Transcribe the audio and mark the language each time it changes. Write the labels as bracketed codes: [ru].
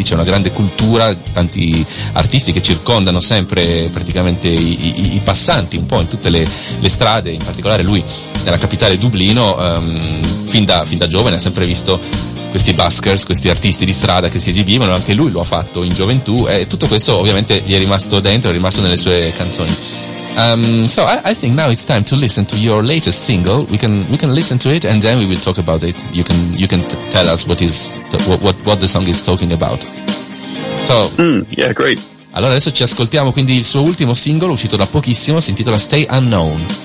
[it] Lì c'è una grande cultura, tanti artisti che circondano sempre praticamente i passanti un po' in tutte le strade, in particolare lui nella capitale Dublino. Fin da giovane ha sempre visto questi buskers, questi artisti di strada che si esibivano, anche lui lo ha fatto in gioventù, e tutto questo ovviamente gli è rimasto dentro, è rimasto nelle sue canzoni. [en] So I think now it's time to listen to your latest single. We can listen to it and then we will talk about it. You can tell us what the song is talking about. So yeah, great. [it] Allora adesso ci ascoltiamo quindi il suo ultimo singolo, uscito da pochissimo, si intitola Stay Unknown.